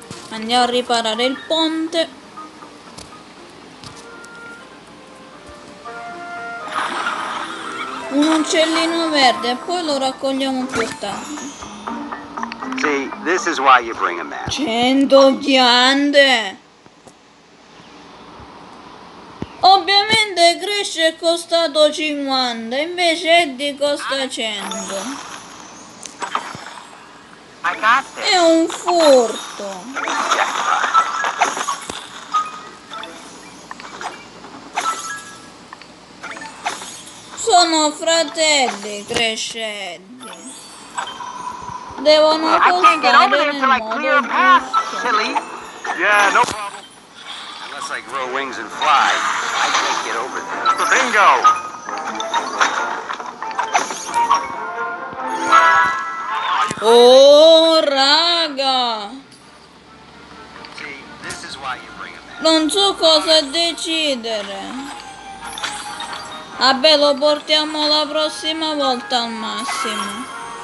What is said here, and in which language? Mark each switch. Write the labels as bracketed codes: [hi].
[it] Andiamo a riparare il ponte. Un uccellino verde, poi lo raccogliamo più tardi. [en] See, this is why you bring a man. [it] 100 ghiande. Ovviamente Crash è costato 50, invece Eddie costa 100. È un furto. Sono fratelli, Crash e Eddie. Devono costare nel modo giusto. [en] I grow wings and fly. I can't get over there. Bingo! [it] Oh, raga! [en] See, this is why you bring them. [it] Non so cosa decidere. Vabbè, lo portiamo la prossima volta al massimo.